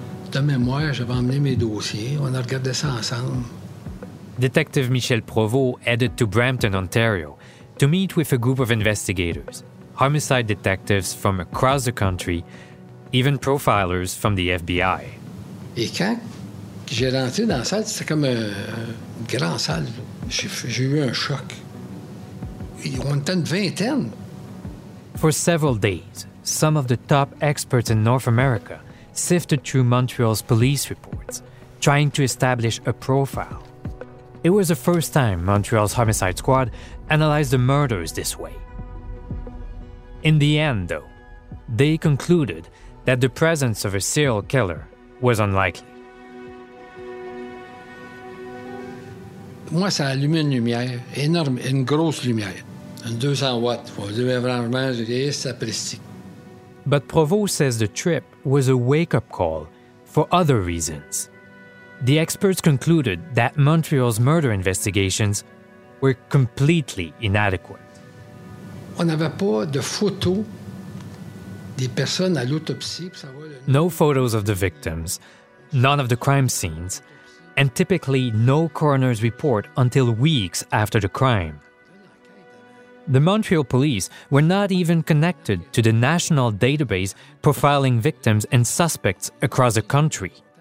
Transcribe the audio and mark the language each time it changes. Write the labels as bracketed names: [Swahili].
[French] De mémoire, j'avais emmené mes dossiers. On a regardé ça ensemble. [English] Detective Michel Provost headed to Brampton, Ontario, to meet with a group of investigators, homicide detectives from across the country, even profilers from the FBI. [French] Et quand j'ai rentré dans la salle, c'était comme une grande salle. J'ai eu un choc. On était une vingtaine. [English] For several days, some of the top experts in North America sifted through Montreal's police reports, trying to establish a profile. It was the first time Montreal's homicide squad analyzed the murders this way. In the end, though, they concluded that the presence of a serial killer was unlikely. [French] Moi, ça allumait une lumière énorme, une grosse lumière, une 200 watts. Vous devez vraiment dire ça précis. [English] But Provost says the trip was a wake-up call for other reasons. The experts concluded that Montreal's murder investigations were completely inadequate. [French] On n'avait pas de photos des personnes à l'autopsie. [English] No photos of the victims, none of the crime scenes, and typically no coroner's report until weeks after the crime. The Montreal police were not even connected to the national database profiling victims and suspects across the country.